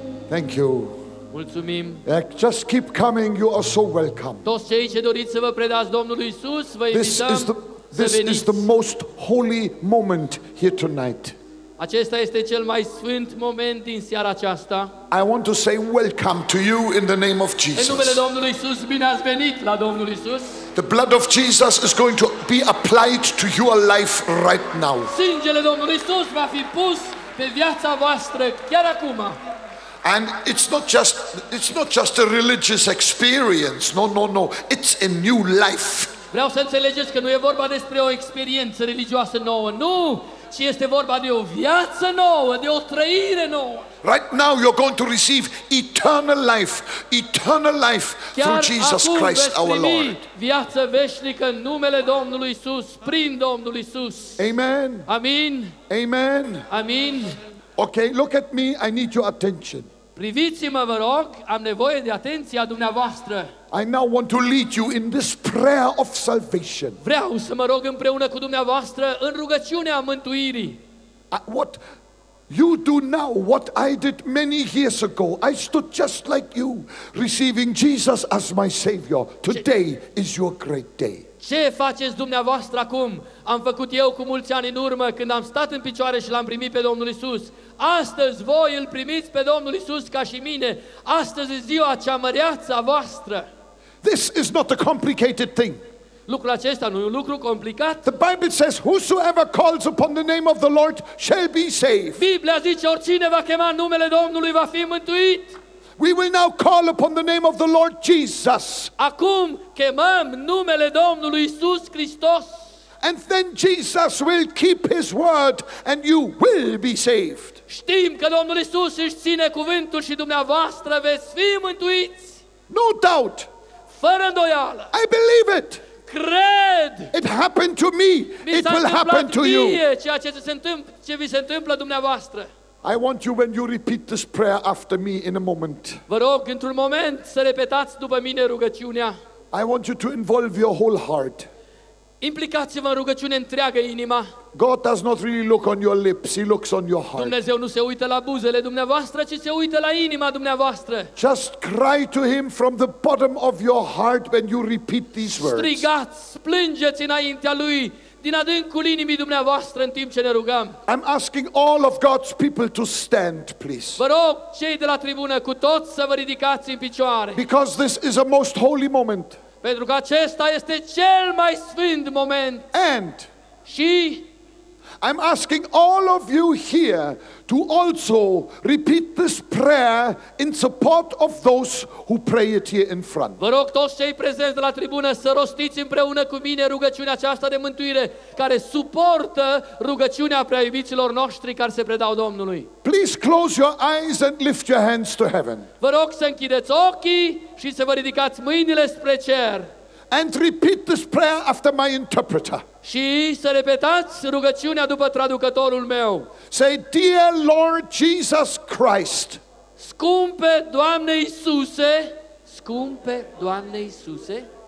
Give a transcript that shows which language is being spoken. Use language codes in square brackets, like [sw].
[en] Thank you. [ro] Mulțumim. [en] Just keep coming. You are so welcome. [ro] Toți cei ce doriți să vă predați Domnului Iisus, vă invităm să veniți. [en] This is the most holy moment here tonight. [ro] Acesta este cel mai sfânt moment din seara aceasta. [en] I want to say welcome to you in the name of Jesus. [ro] În numele Domnului Iisus, bine ați venit la Domnul Iisus. [en] The blood of Jesus is going to be applied to your life right now. [ro] Sângele Domnului Iisus va fi pus pe viața voastră chiar acum. [en] And it's not just a religious experience. No. It's a new life. [ro] Vreau să înțelegeți că nu e vorba despre o experiență religioasă nouă, nu, ci este vorba de o viață nouă, de o trăire nouă. [en] Right now you're going to receive eternal life through Jesus Christ our Lord. [ro] Viață veșnică în numele Domnului Iisus, prin Domnul Iisus. [en] Amen. [ro] Amin. [en] Amen. [ro] Amin. [en] Okay, look at me. I need your attention. [ro] Priviți-mă, vă rog, am nevoie de atenția dumneavoastră. [en] I now want to lead you in this prayer of salvation. [ro] Vreau să mă rog împreună cu dumneavoastră în rugăciunea mântuirii. [en] What you do now, what I did many years ago. I stood just like you, receiving Jesus as my savior. Today is your great day. [ro] Ce faceți dumneavoastră acum? Am făcut eu cu mulți ani în urmă, când am stat în picioare și l-am primit pe Domnul Iisus. Astăzi voi îl primiți pe Domnul Iisus ca și mine. Astăzi e ziua cea măreață a voastră. [en] This is not a complicated thing. [ro] Lucrul acesta nu e un lucru complicat. [en] The Bible says, whosoever calls upon the name of the Lord shall be saved. [ro] Biblia zice, oricine va chema numele Domnului va fi mântuit. [en] We will now call upon the name of the Lord Jesus. [ro] Acum chemăm numele Domnului Iisus Hristos. [en] And then Jesus will keep his word and you will be saved. [ro] Știm că Domnul Iisus își ține cuvântul și dumneavoastră veți fi mântuiți. [en] No doubt. [ro] Fără îndoială. [en] I believe it. [ro] Cred. [en] It happened to me. It will happen to you. [ro] Ceea ce se întâmplă, ce vi se întâmplă dumneavoastră. [en] I want you, when you repeat this prayer after me in a moment. [ro] Vă rog într-un moment să repetați după mine rugăciunea. [en] I want you to involve your whole heart. [ro] Implicați-vă în rugăciune întreagă inima. [en] God does not really look on your lips, he looks on your heart. [ro] Dumnezeu nu se uită la buzele dumneavoastră, ci se uită la inima dumneavoastră. [en] Just cry to him from the bottom of your heart when you repeat these words. [ro] Strigați, plângeți înaintea lui din adâncul inimii dumneavoastră în timp ce ne rugăm. [en] I'm asking all of God's people to stand, please. [ro] Vă rog, cei de la tribună, cu toți să vă ridicați în picioare. [en] Because this is a most holy moment. [ro] Pentru că acesta este cel mai sfânt moment. [en] And [ro] și [en] I'm asking all of you here to also repeat this prayer in support of those who pray it here in front. [ro] Vă rog toți cei prezenți de la tribună să rostiți împreună cu mine rugăciunea aceasta de mântuire care suportă rugăciunea preaiubiților noștri care se predau Domnului. [en] Please close your eyes and lift your hands to heaven. [ro] Vă rog să închideți ochii și să vă ridicați mâinile spre cer. [en] And repeat this prayer after my interpreter. [ro] Și să repetați rugăciunea după traducătorul meu. [en] Say, dear Lord Jesus Christ. [ro] Scumpe Doamne Iisuse, scumpe Doamne Iisuse.